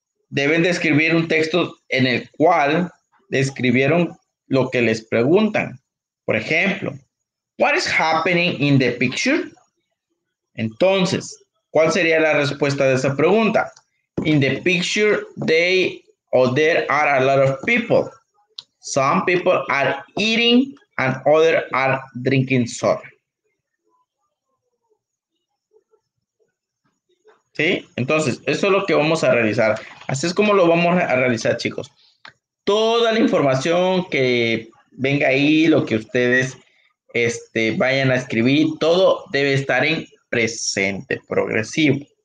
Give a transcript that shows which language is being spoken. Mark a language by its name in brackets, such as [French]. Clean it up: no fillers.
[Spanish] Deben de escribir un texto en el cual describieron lo que les preguntan. Por ejemplo, [English] what is happening in the picture? [Spanish] Entonces, ¿cuál sería la respuesta de esa pregunta? [English] In the picture, there are a lot of people. Some people are eating and others are drinking soda. [Spanish] ¿Sí? Entonces, eso es lo que vamos a realizar. Así es como lo vamos a realizar, chicos. Toda la información que venga ahí, lo que ustedes vayan a escribir, todo debe estar en presente progresivo.